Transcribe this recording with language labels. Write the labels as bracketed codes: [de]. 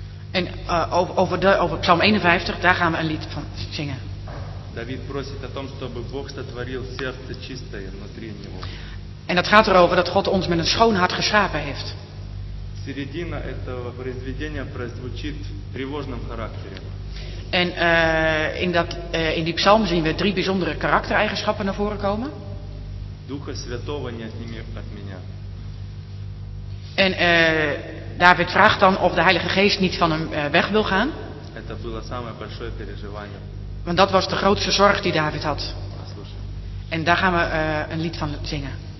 [nl] En over psalm 51, daar gaan we een lied van zingen. [ru] David prosit о том, чтобы Бог сотворил сердце чистое внутри него. [nl] En dat gaat erover dat God ons met een schoon hart geschapen heeft. [ru] Середина этого произведения прозвучит тревожным характером. [nl] En in die psalm zien we drie bijzondere karaktereigenschappen naar voren komen. [ru] Духа Святого не отними от меня. [nl] En David vraagt dan of de Heilige Geest niet van hem weg wil gaan. [ru] Это было самое большое переживание. [nl] Want dat was de grootste zorg die David had. En daar gaan we een lied van zingen.